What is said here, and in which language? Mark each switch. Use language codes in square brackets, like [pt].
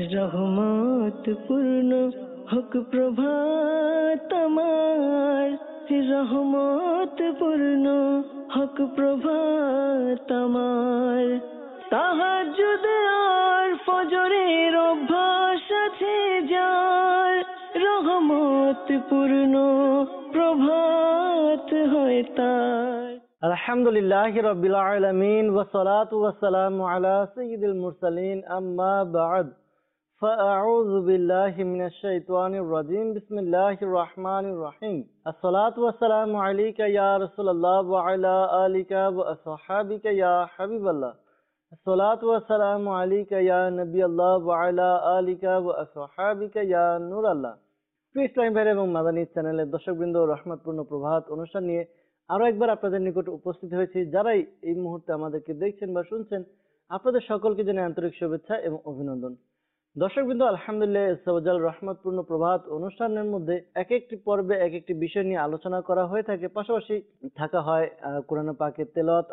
[bn] রহমত পূর্ণ হক প্রভাত আমার, রহমত পূর্ণ হক প্রভাত আমার, তাহাজ্জুদ আর ফজরের অভ্যাস আছে যার, রহমত পূর্ণ প্রভাত হয় তার। [ar] আলহামদুলিল্লাহ রাব্বিল আলামিন ওয়া সালাতু ওয়া সালামু আলা সাইয়্যিদিল মুরসালিন আম্মা বা'দ, فأعوذ بالله من الشيطان الرجيم بسم الله الرحمن الرحيم الصلاة والسلام عليك يا رسول الله وعلى آلك وأصحابك يا حبيب الله الصلاة والسلام عليك يا نبي الله وعلى آلك وأصحابك يا نور الله [bn] প্রিয় ইসলামী ভাইরা এবং মাদানী চ্যানেলের দর্শকবৃন্দ, রহমতপূর্ণ প্রভাত অনুষ্ঠান নিয়ে আরো একবার আপনাদের নিকট উপস্থিত হয়েছি। যারাই এই মুহূর্তে আমাদেরকে দেখছেন বা শুনছেন, আপনাদের সকলকে জানাই আন্তরিক শুভেচ্ছা এবং অভিনন্দন। দর্শকবৃন্দ, আলহামদুলিল্লাহ সওজাল রহমতপূর্ণ প্রভাত অনুষ্ঠানের মধ্যে এক একটি পর্বে এক একটি বিষয় নিয়ে আলোচনা করা হয়ে থাকে, পাশাপাশি থাকা হয় কোরআন পাকের তেলাওয়াত।